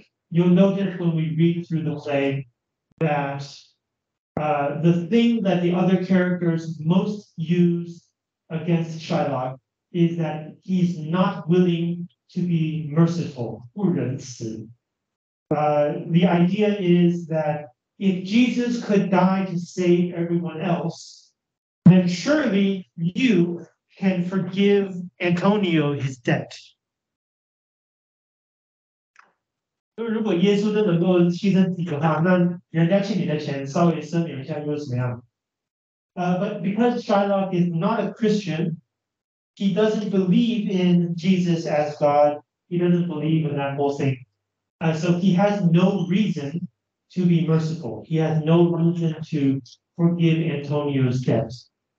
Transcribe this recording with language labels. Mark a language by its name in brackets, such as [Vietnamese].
[English] You'll notice when we read through the play that the thing that the other characters most use against Shylock is that he's not willing to be merciful. The idea is that if Jesus could die to save everyone else, then surely you can forgive Antonio his debt. [Chinese] 就如果耶稣都能够牺牲自己的话，那人家欠你的钱稍微赦免一下又是怎么样？ [English] But because Shylock is not a Christian, he doesn't believe in Jesus as God. He doesn't believe in that whole thing. So he has no reason to be merciful. He has no reason to forgive Antonio's debts.